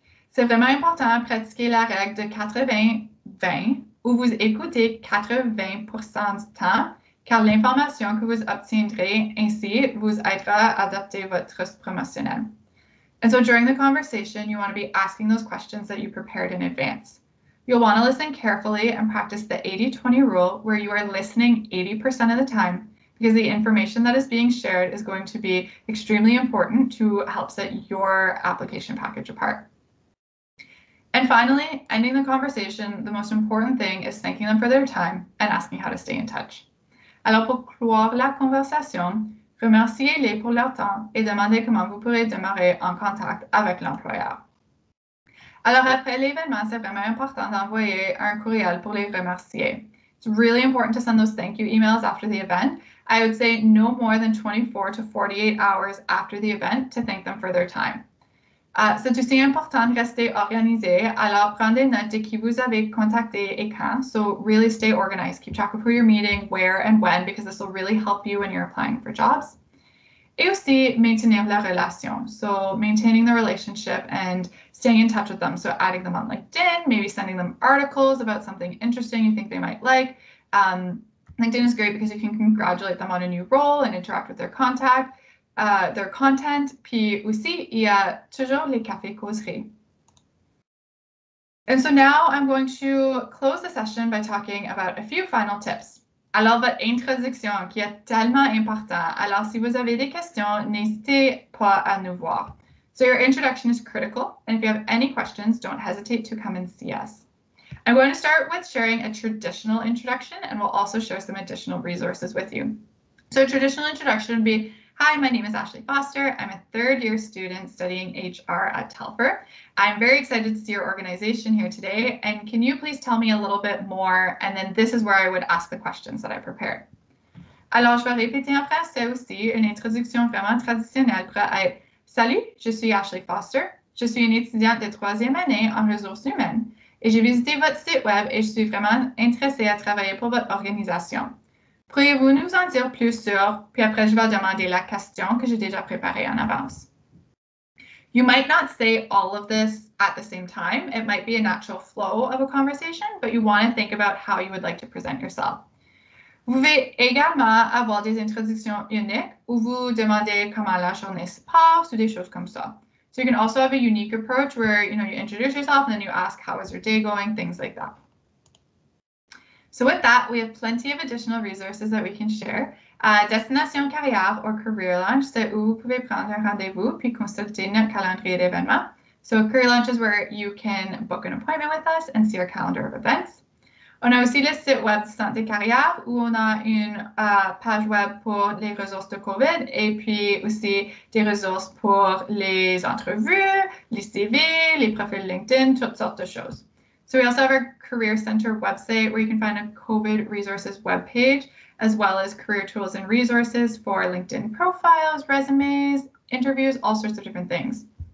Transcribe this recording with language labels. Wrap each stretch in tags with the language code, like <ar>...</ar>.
<fr>C'est vraiment important de pratiquer la règle de 80-20 où vous écoutez 80% du temps car l'information que vous obtiendrez ainsi vous aidera à adapter votre trust promotionnel.</fr> <en>And so during the conversation, you want to be asking those questions that you prepared in advance. You'll want to listen carefully and practice the 80-20 rule where you are listening 80% of the time because the information that is being shared is going to be extremely important to help set your application package apart. And finally, ending the conversation, the most important thing is thanking them for their time and asking how to stay in touch.</en> <fr>Alors pour clore la conversation, remerciez-les pour leur temps et demandez comment vous pourrez demeurer en contact avec l'employeur. Alors, après l'événement, c'est vraiment important d'envoyer un courriel pour les remercier.</fr> <en>It's really important to send those thank you emails after the event. I would say no more than 24 to 48 hours after the event to thank them for their time.</en> <fr>C'est aussi important de rester organisé. Alors, prenez note de qui vous avez contacté et quand.</fr> <en>So, really stay organized. Keep track of who you're meeting, where and when, because this will really help you when you're applying for jobs.</en> <fr>Et aussi, maintenir la relation.</fr> <en>So, maintaining the relationship and staying in touch with them. So, adding them on LinkedIn, maybe sending them articles about something interesting you think they might like. LinkedIn is great because you can congratulate them on a new role and interact with their contact. Their content,</en> <fr>puis aussi, il y a toujours les cafés causeries.</fr> <en>And so now I'm going to close the session by talking about a few final tips.</en> <fr>Alors, votre introduction qui est tellement important. Alors, si vous avez des questions, n'hésitez pas à nous voir.</fr> <en>So your introduction is critical, and if you have any questions, don't hesitate to come and see us. I'm going to start with sharing a traditional introduction, and we'll also share some additional resources with you. So a traditional introduction would be, hi, my name is Ashley Foster. I'm a third year student studying HR at Telfer. I'm very excited to see your organization here today. And can you please tell me a little bit more? And then this is where I would ask the questions that I prepared.</en> <fr>Alors, je vais répéter en français aussi une introduction vraiment traditionnelle pour être. Salut, je suis Ashley Foster. Je suis une étudiante de troisième année en ressources humaines. Et j'ai visité votre site web et je suis vraiment intéressée à travailler pour votre organisation. Pourriez-vous nous en dire plus sur, puis après je vais demander la question que j'ai déjà préparée en avance.</fr> <en>You might not say all of this at the same time. It might be a natural flow of a conversation, but you want to think about how you would like to present yourself.</en> <fr>Vous pouvez également avoir des introductions uniques où vous demandez comment la journée se passe ou des choses comme ça.</fr> <en>So you can also have a unique approach where, you know, you introduce yourself and then you ask, how is your day going, things like that. So with that, we have plenty of additional resources that we can share.</en> <fr>Destination Carrière or Career Launch, c'est où vous pouvez prendre un rendez-vous puis consulter notre calendrier d'événements.</fr> <en>So Career Launch is where you can book an appointment with us and see our calendar of events.</en> <fr>On a aussi le site web Santé Carrière où on a une page web pour les ressources de COVID et puis aussi des ressources pour les entrevues, les CV, les profils LinkedIn, toutes sortes de choses.</fr> <en>So we also have our Career Center website where you can find a COVID resources webpage, as well as career tools and resources for LinkedIn profiles, resumes, interviews, all sorts of different things.</en>